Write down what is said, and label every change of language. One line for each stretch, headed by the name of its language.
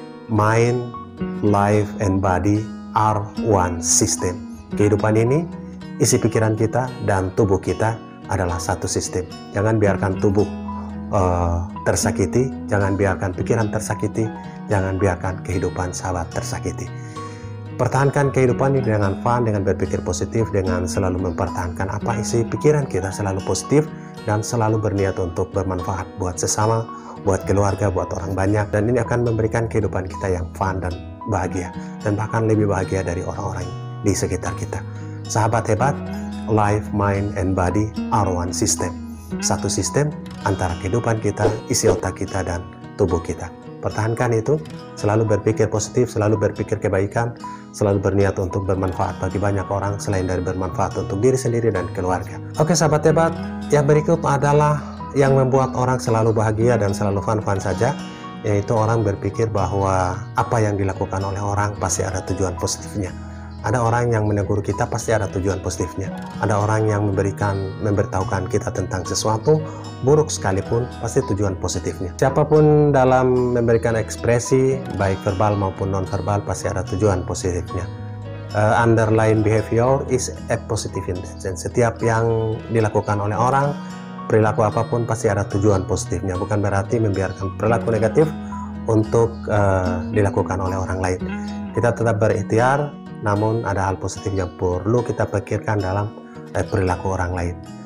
English: Mind, life, and body are one system.
Indonesian: Kehidupan ini, isi pikiran kita dan tubuh kita adalah satu sistem. Jangan biarkan tubuh tersakiti, jangan biarkan pikiran tersakiti, jangan biarkan kehidupan sahabat tersakiti. Pertahankan kehidupan ini dengan fun, dengan berpikir positif, dengan selalu mempertahankan apa isi pikiran kita selalu positif dan selalu berniat untuk bermanfaat buat sesama, buat keluarga, buat orang banyak, dan ini akan memberikan kehidupan kita yang fun dan bahagia, dan bahkan lebih bahagia dari orang-orang di sekitar kita. Sahabat hebat,
English: life, mind, and body are one system.
Indonesian: Satu sistem antara kehidupan kita, isi otak kita, dan tubuh kita. Pertahankan itu, selalu berpikir positif, selalu berpikir kebaikan, selalu berniat untuk bermanfaat bagi banyak orang selain dari bermanfaat untuk diri sendiri dan keluarga. Oke sahabat hebat, yang berikut adalah yang membuat orang selalu bahagia dan selalu fun-fun saja, yaitu orang berpikir bahwa apa yang dilakukan oleh orang pasti ada tujuan positifnya. Ada orang yang menegur kita, pasti ada tujuan positifnya. Ada orang yang memberitahukan kita tentang sesuatu, buruk sekalipun, pasti tujuan positifnya. Siapapun dalam memberikan ekspresi, baik verbal maupun non-verbal, pasti ada tujuan positifnya.
English: Underlying behavior is a positive intention.
Indonesian: Setiap yang dilakukan oleh orang, perilaku apapun, pasti ada tujuan positifnya. Bukan berarti membiarkan perilaku negatif untuk dilakukan oleh orang lain. Kita tetap berikhtiar, namun ada hal positif yang perlu kita pikirkan dalam perilaku orang lain.